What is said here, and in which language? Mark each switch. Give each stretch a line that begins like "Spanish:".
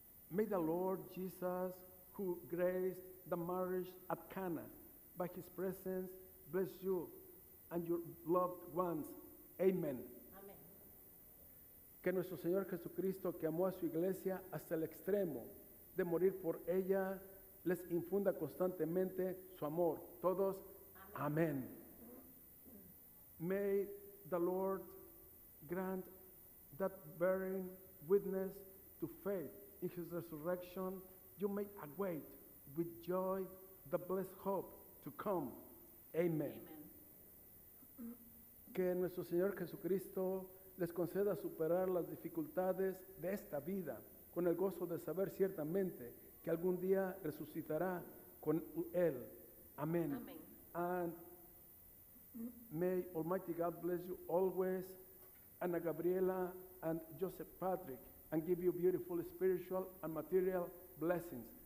English: May the Lord Jesus, who graced the marriage at Cana, by his presence, bless you and your loved ones. Amen.
Spanish: Amén. Que nuestro Señor Jesucristo, que amó a su iglesia hasta el extremo de morir por ella, les infunda constantemente su amor. Todos, amén.
English: May the Lord grant that bearing witness to faith in his resurrection, you may await with joy the blessed hope to come. Amen. Amen.
Spanish: Que nuestro Señor Jesucristo les conceda superar las dificultades de esta vida con el gozo de saber ciertamente que algún día resucitará con él. Amén. Amén.
English: And may Almighty God bless you always, Ana Gabriela and Joseph Patrick, and give you beautiful spiritual and material blessings.